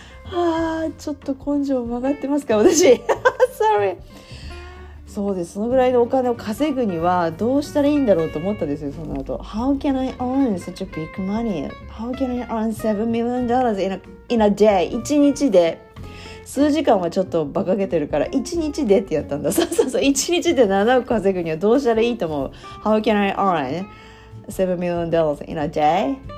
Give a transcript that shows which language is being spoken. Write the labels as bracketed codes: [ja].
[ja] あー、ちょっと根性曲がってますか私。 [en] Sorry。 [ja] そうです、そのぐらいのお金を稼ぐにはどうしたらいいんだろうと思ったんですよ、その後。 [en] How can I earn such a big money? How can I earn $7 million in a day? [ja] 1日で数時間はちょっとバカげてるから1日でってやったんだ。そうそうそう、1日で7億稼ぐにはどうしたらいいと思う。 [en] How can I earn $7 million in a day?